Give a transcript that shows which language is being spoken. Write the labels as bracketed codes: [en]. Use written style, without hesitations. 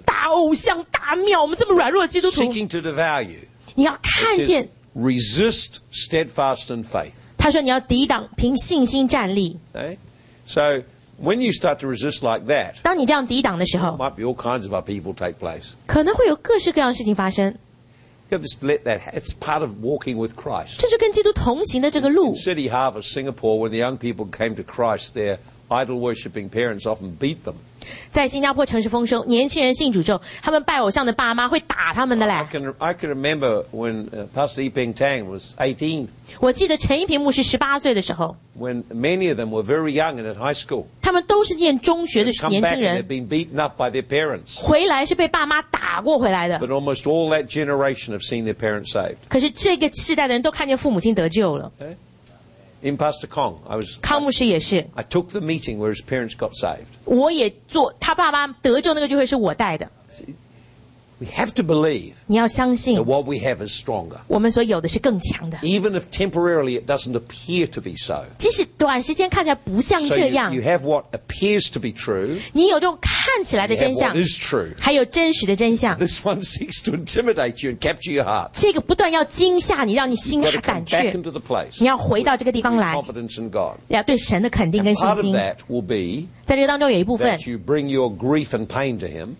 [zh] 大偶像，大庙，我们这么软弱的基督徒。 [en] Seeking to devour you. [zh] 你要看见。 [en] Resist steadfast in faith. [zh] 他说你要抵挡，凭信心站立。 [en] So, when you start to resist like that, [zh] 当你这样抵挡的时候， [en] might be all kinds of upheaval take place. [zh] 可能会有各式各样的事情发生。 [en] You just let that, it's part of walking with Christ. [zh] 这是跟基督同行的这个路。 [en] In City Harvest, Singapore, when the young people came to Christ, their idol-worshipping parents often beat them. [zh] 在新加坡城市丰收，年轻人信主之后，他们拜偶像的爸妈会打他们的嘞。 [en] I can remember when Pastor Yiping Tang was 18. [zh] 我记得陈一平牧师18岁的时候。 [en] When many of them were very young and at high school. [zh] 他们都是念中学的年轻人。 [en] They'd been beaten up by their parents. [zh] 回来是被爸妈打过回来的。 [en] But almost all that generation have seen their parents saved. [zh] 可是这个世代的人都看见父母亲得救了。 [en] Okay. In Pastor Kong, I was. [zh] 康牧师也是。 [en] I took the meeting where his parents got saved. [zh] 我也做他爸妈得救那个聚会是我带的。 [en] We have to believe. [zh] 你要相信。 [en] That what we have is stronger. [zh] 我们所有的是更强的。 [en] Even if temporarily it doesn't appear to be so. [zh] 即使短时间看起来不像这样。 [en] So you have what appears to be true. [zh] 你有这种看起来的真相。 [en] You have what is true. [zh] 还有真实的真相。 [en] This one seeks to intimidate you and capture your heart. [zh] 这个不断要惊吓你，让你心胆怯。 [en] You've got to come back into the place. [zh] 你要回到这个地方来。 [en] Confidence in God. [zh] 要对神的肯定跟信心。 [en] And part of that will be. [zh] 在这个当中有一部分。 [en] That you bring your grief and pain to Him.